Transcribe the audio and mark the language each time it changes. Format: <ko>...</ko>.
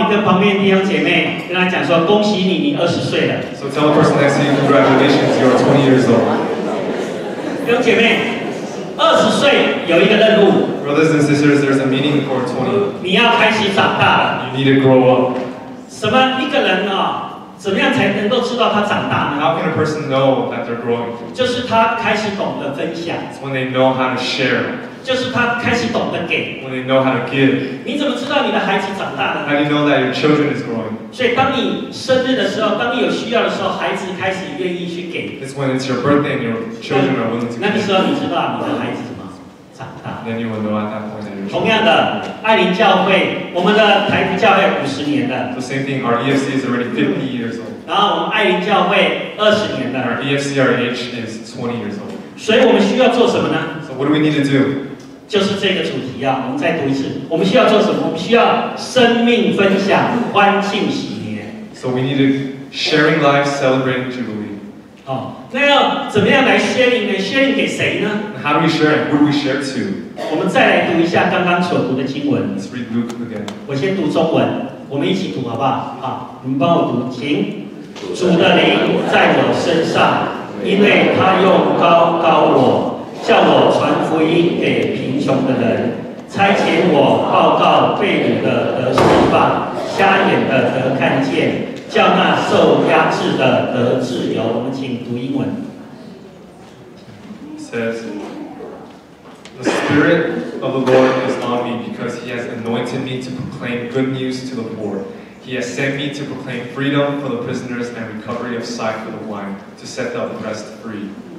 <zh>你跟旁边弟兄姐妹跟他讲说：“恭喜你，你二十岁了。”</zh> <en>So tell the person next to you, congratulations, you are 20 years old.</en> <zh>弟兄姐妹，二十岁有一个任务。</zh> <en>Brothers and sisters, there's a meaning for 20.</en> <zh>你要开始长大了。</zh> <en>You need to grow up.</en> <zh>什么一个人啊？怎么样才能够知道他长大呢？</zh> <en>How can a person know that they're growing?</en> <zh>就是他开始懂得分享。</zh> <en>It's when they know how to share.</en> <zh>就是他开始懂得给。</zh> <en>When they know how to give.</en> <zh>你怎么知道你的孩子长大了？</zh> <en>How do you know that your children is growing?</en> <zh>所以当你生日的时候，当你有需要的时候，孩子开始愿意去给。</zh> <en>It's when it's your birthday and your children are willing to give.</en> <zh>那个时候你知道你的孩子怎么长大？</zh> <en>Then you will know at that point that your children.</en> <zh>同样的，爱灵教会，我们的台福教会50年了。</zh> <en>The same thing. Our EFC is already 50 years old.</en> <zh>然后我们爱灵教会20年了。</zh> <en>Our EFCRH is 20 years old.</en> <zh>所以我们需要做什么呢？</zh> <en>So what do we need to do?</en> <zh>就是这个主题啊，我们再读一次。我们需要做什么？我们需要生命分享，欢庆喜年。</zh> <en>So we need to sharing life, celebrating jubilee.</en> <zh>那要怎么样来 sharing 呢？Sharing 给谁呢？</zh> <en>How do we share? Who do we share to?</en> <zh>我们再来读一下刚刚所读的经文。</zh> <en>Let's read Luke again.</en> <zh>我先读中文，我们一起读好不好？好，你们帮我读，请。主的灵在我身上，因为他用高高我，叫我传福音给贫穷的人，差遣我报告被掳的得释放，瞎眼的得看见，叫那受压制的得自由。我们请读英文。</zh> <en>Says, the Spirit of the Lord is on me because He has anointed me to proclaim good news to the poor. He has sent me to proclaim freedom for the prisoners and recovery of sight for the blind, to set the oppressed free.</en>